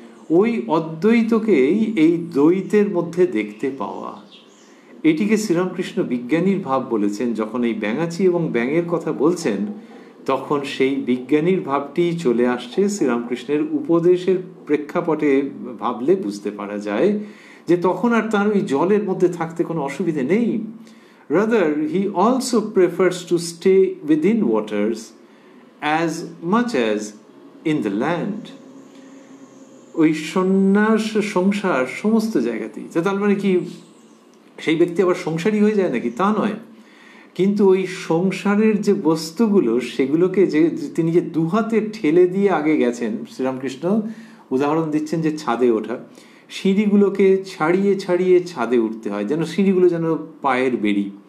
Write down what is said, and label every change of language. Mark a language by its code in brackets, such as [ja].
[bn] ওই অদ্বৈতকেই এই দ্বৈতের মধ্যে দেখতে পাওয়া, এটিকে শ্রীরামকৃষ্ণ বিজ্ঞানীর ভাব বলেছেন। যখন এই ব্যাঙাচি এবং ব্যাঙের কথা বলছেন তখন সেই বিজ্ঞানীর ভাবটি চলে আসছে শ্রীরামকৃষ্ণের উপদেশের প্রেক্ষাপটে ভাবলে বুঝতে পারা যায়, যে তখন আর তার ওই জলের মধ্যে থাকতে কোনো অসুবিধে নেই। [en] Rather, he also prefers to stay within waters as much as in the land. [bn] ওই সন্ন্যাস সংসার সমস্ত জায়গাতেই, তার মানে কি সেই ব্যক্তি আবার সংসারী হয়ে যায় নাকি, তা নয়, কিন্তু ওই সংসারের যে বস্তুগুলো সেগুলোকে যে তিনি যে দুহাতে ঠেলে দিয়ে আগে গেছেন, শ্রীরামকৃষ্ণ উদাহরণ দিচ্ছেন যে ছাদে ওঠা, সিঁড়িগুলোকে ছাড়িয়ে ছাড়িয়ে ছাদে উঠতে হয়, যেন সিঁড়িগুলো যেন পায়ের বেড়ি।